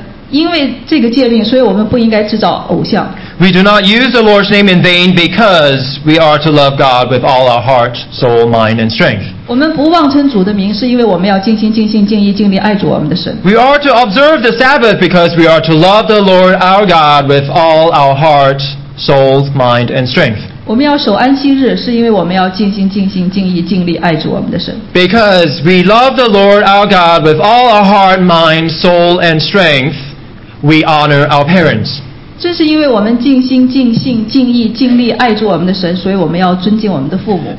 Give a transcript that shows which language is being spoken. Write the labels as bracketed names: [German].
[Chinese] 因为这个诫命，所以我们不应该制造偶像。 [English] We do not use the Lord's name in vain because we are to love God with all our heart, soul, mind, and strength. [Chinese] 我们不妄称主的名，是因为我们要尽心、尽性、尽意、尽力爱主我们的神。 [English] We are to observe the Sabbath because we are to love the Lord our God with all our heart. Soul, mind, and strength. [Chinese] 我们要守安息日，是因为我们要尽心、尽性、尽意、尽力爱主我们的神。 [English] Because we love the Lord our God with all our heart, mind, soul, and strength, we honor our parents. [Chinese] 正是因为我们尽心、尽性、尽意、尽力爱主我们的神，所以我们要尊敬我们的父母。